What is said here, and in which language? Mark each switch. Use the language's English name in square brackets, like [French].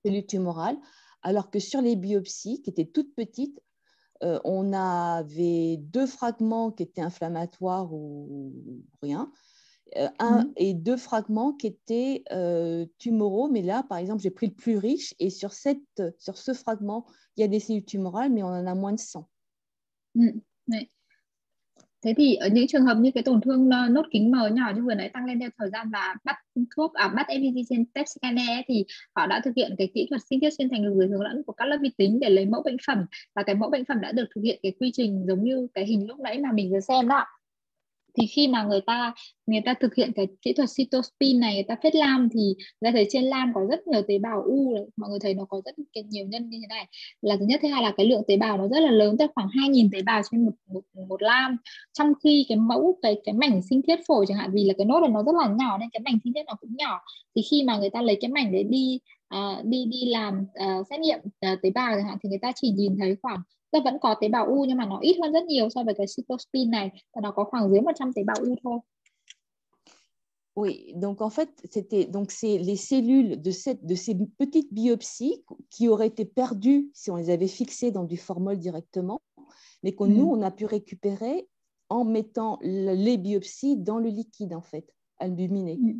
[French] Cellules tumorales, alors que sur les biopsies qui étaient toutes petites, on avait deux fragments qui étaient inflammatoires ou rien, et deux fragments qui étaient tumoraux. Mais là, par exemple, j'ai pris le plus riche et sur ce fragment, il y a des cellules tumorales, mais on en a moins de 100. [Vietnamese] Thế thì ở những trường hợp như cái tổn thương nốt kính mờ nhỏ như vừa nãy tăng lên theo thời gian và bắt thuốc bắt FVC trên PET scan thì họ đã thực hiện cái kỹ thuật sinh thiết xuyên thành lục dưới hướng dẫn của các lớp vi tính để lấy mẫu bệnh phẩm, và cái mẫu bệnh phẩm đã được thực hiện cái quy trình giống như cái hình lúc nãy mà mình vừa xem đó. Thì khi mà người ta thực hiện cái kỹ thuật cytospin này, người ta phết lam thì ra thấy trên lam có rất nhiều tế bào u, mọi người thấy nó có rất nhiều nhân như thế này, là thứ nhất. Thứ hai là cái lượng tế bào nó rất là lớn, tới khoảng 2000 tế bào trên một lam, trong khi cái mẫu cái mảnh sinh thiết phổi chẳng hạn, vì là cái nốt này nó rất là nhỏ nên cái mảnh sinh thiết nó cũng nhỏ, thì khi mà người ta lấy cái mảnh đấy đi làm xét nghiệm tế bào chẳng hạn, thì người ta chỉ nhìn thấy khoảng, nó vẫn có tế bào u nhưng mà nó ít hơn rất nhiều so với cái cytospin này, và nó có khoảng dưới 100 tế bào u thôi. [French] Oui, donc en fait, c'est les cellules de ces petites biopsies qui auraient été perdues si on les avait fixées dans du formol directement, mais que nous on a pu récupérer en mettant les biopsies dans le liquide en fait, albuminé.